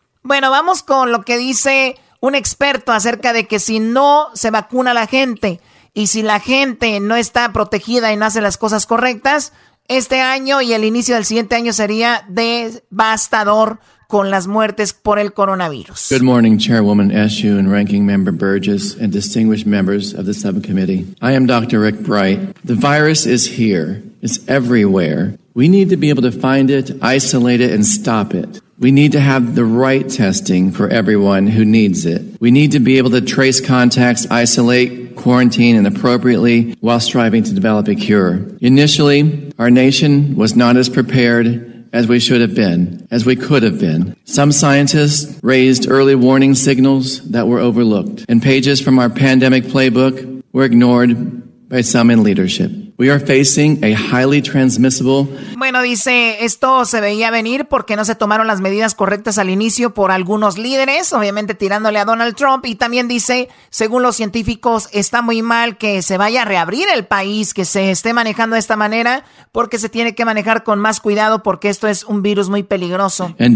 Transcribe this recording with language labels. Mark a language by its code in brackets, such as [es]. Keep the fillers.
[es] Bueno, vamos con lo que dice un experto acerca de que si no se vacuna la gente y si la gente no está protegida y no hace las cosas correctas, este año y el inicio del siguiente año sería devastador. [en] Good morning, Chairwoman Eshoo and Ranking Member Burgess and distinguished members of the subcommittee. I am Dr. Rick Bright. The virus is here. It's everywhere. We need to be able to find it, isolate it, and stop it. We need to have the right testing for everyone who needs it. We need to be able to trace contacts, isolate, quarantine, and appropriately while striving to develop a cure. Initially, our nation was not as prepared as we should have been, as we could have been. Some scientists raised early warning signals that were overlooked, and pages from our pandemic playbook were ignored by some in leadership. We are facing a highly transmissible [es] Bueno, dice, esto se veía venir porque no se tomaron las medidas correctas al inicio por algunos líderes, obviamente tirándole a Donald Trump. Y también dice, según los científicos, está muy mal que se vaya a reabrir el país, que se esté manejando de esta manera, porque se tiene que manejar con más cuidado porque esto es un virus muy peligroso.